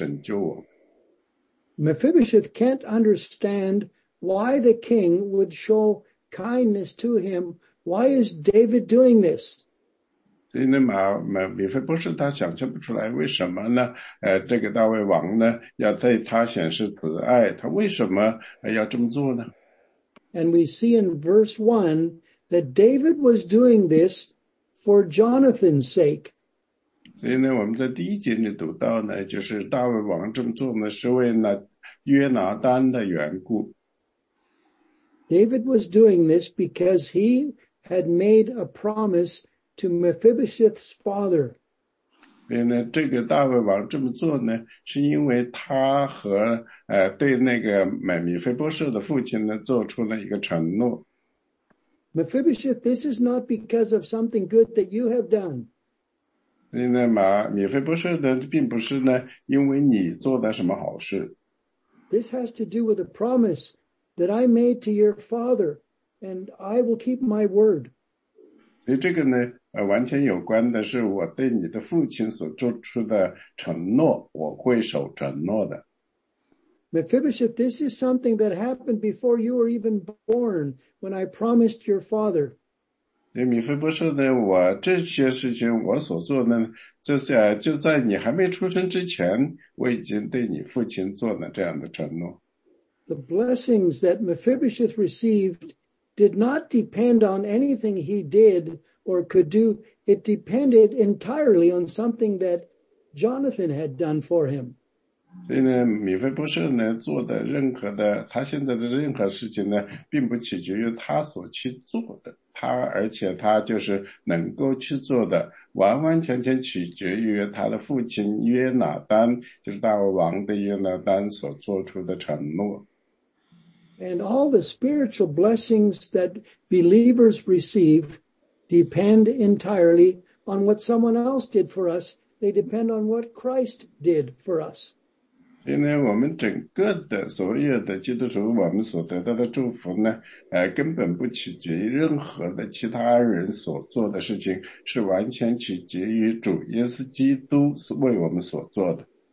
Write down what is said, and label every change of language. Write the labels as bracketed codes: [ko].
[zh] 虽然呢，我们就是说呢，就是在他面前颤抖，我们背逆了他，我们就是辜负他的爱，他仍然就是派了主耶稣基督来拯救我们。Mephibosheth [en] can't understand why the king would show kindness to him. Why is David doing this? [zh] 所以呢，米菲波设他想象不出来为什么呢？这个大卫王呢，要对他显示慈爱，他为什么要这么做呢？ [en] And we see in verse 1 that David was doing this for Jonathan's sake. [zh] 所以呢，我们在第一节里读到呢，就是大卫王这么做呢，是为那约拿单的缘故。 [en] David was doing this because he had made a promise to Mephibosheth's father. [zh] 所以呢，这个大卫王这么做呢，是因为他和对那个米菲波设的父亲呢，做出了一个承诺。 [en] Mephibosheth, this is not because of something good that you have done. [zh] 所以呢，米菲波设呢，并不是呢，因为你做的什么好事。 [en] This has to do with a promise that I made to your father, and I will keep my word. [zh] 所以这个呢，完全有关的是我对你的父亲所做出的承诺，我会守承诺的。 [en] Mephibosheth, this is something that happened before you were even born when I promised your father. [zh] 所以米菲波设呢，我这些事情我所做呢，就在你还没出生之前，我已经对你父亲做了这样的承诺。 [en] The blessings that Mephibosheth received did not depend on anything he did or could do. It depended entirely on something that Jonathan had done for him. [zh] 所以呢，米菲波设呢做的任何的，他现在的任何事情呢，并不取决于他所去做的，而且他就是能够去做的，完完全全取决于他的父亲约拿单，就是大卫王的约拿单所做出的承诺。 [en] And all the spiritual blessings that believers receive depend entirely on what someone else did for us. They depend on what Christ did for us. [zh] 所以呢，我们整个的所有的基督徒，我们所得到的祝福呢，根本不取决于任何的其他人所做的事情，是完全取决于主耶稣基督为我们所做的。